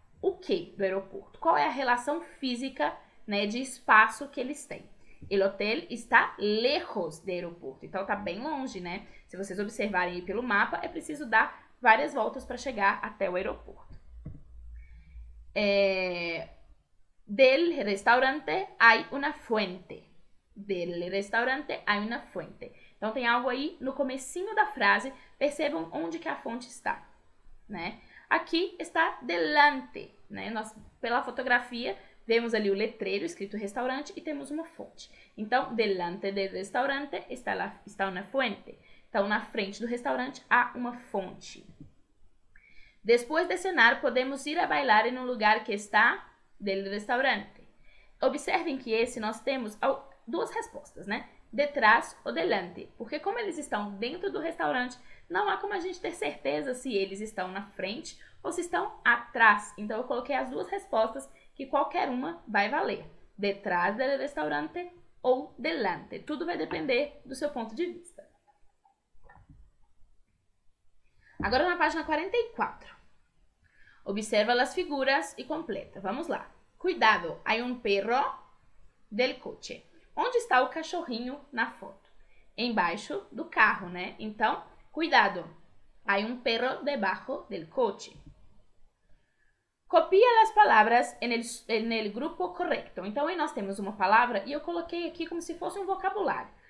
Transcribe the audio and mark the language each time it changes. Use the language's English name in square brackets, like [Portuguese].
[Portuguese] o quê do aeroporto? Qual é a relação física, né, de espaço que eles têm? [Spanish] El hotel está lejos do aeroporto, [Portuguese] então tá bem longe, né? Se vocês observarem aí pelo mapa, é preciso dar várias voltas para chegar até o aeroporto. [Spanish] Del restaurante hay una fuente. Del restaurante hay una fuente. [Portuguese] Então tem algo aí no comecinho da frase. Percebam onde que a fonte está, né? Aqui está delante, né? Nós, pela fotografia, vemos ali o letreiro escrito restaurante e temos uma fonte. [Spanish] Então, delante del restaurante está una fuente. [Portuguese] Então, na frente do restaurante há uma fonte. Depois de [Spanish] cenar, podemos ir a bailar em um lugar que está del restaurante. [Portuguese] Observem que esse nós temos duas respostas, né? Detrás ou delante. Porque como eles estão dentro do restaurante, não há como a gente ter certeza se eles estão na frente ou se estão atrás. Então eu coloquei as duas respostas que qualquer uma vai valer. [Spanish] Detrás del restaurante [Portuguese] ou delante. Tudo vai depender do seu ponto de vista. Agora na página 44. Observa as figuras e completa. Vamos lá. [Spanish] Cuidado, hay un perro del coche. [Portuguese] Onde está o cachorrinho na foto? Embaixo do carro, né? Então, cuidado, [Spanish] hay un perro debajo del coche. Copia as palavras en el grupo correcto. [Portuguese] Então, aí nós temos uma palavra e eu coloquei aqui como se fosse um vocabulário.